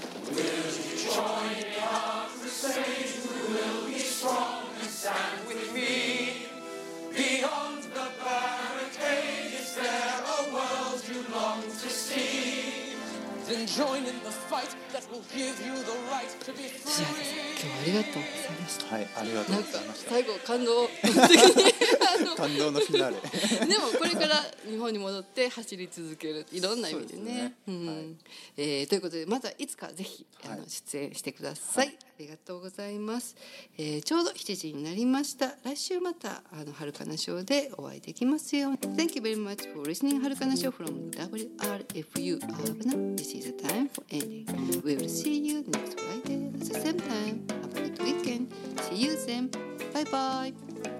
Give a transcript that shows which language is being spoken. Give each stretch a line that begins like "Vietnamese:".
English: Will you join in our crusade? Who will be strong and stand with me? Beyond the barricade, is there a world you long to see? Then join in the fight that will give you the right to be free.
Japanese: ありがとうございました。はい、ありがとうございました。最後感動感動のフィナーレでもこれから日本に戻って走り続けるいろんな意味で ね、 うでね、うん、はい、ということでまたいつかぜひ、はい、出演してください、はい、ありがとうございます、ちょうど7時になりました。来週またあの遥かなショーでお会いできますように。
English: Thank you very much for listening 遥かなショー from WRFU Abna. This is the time for ending. We will see you next Friday at the same time. Have a good weekend. See you then. Bye bye.